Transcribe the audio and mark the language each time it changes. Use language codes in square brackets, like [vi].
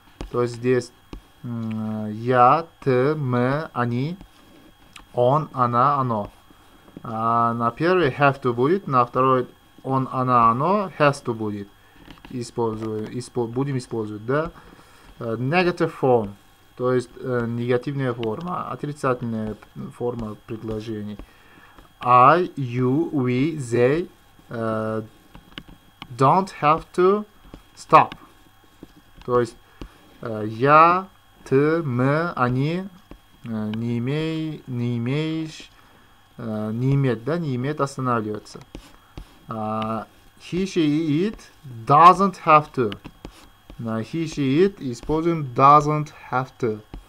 [ru] То есть здесь я, ты, мы, они, он, она, оно. На первый [en] have to [ru] будет, на второй он, она, оно [en] has to [ru] будет. Будем использовать, да? [en] Negative form. [ru] То есть негативная форма, отрицательная форма предложений. [en] I, you, we, they don't have to stop. [ru] То есть я, ты, мы, они не имеет останавливаться. [en] He, she, it doesn't have to. [ru] На [en] he, she, it [ru] используем [en] doesn't have to.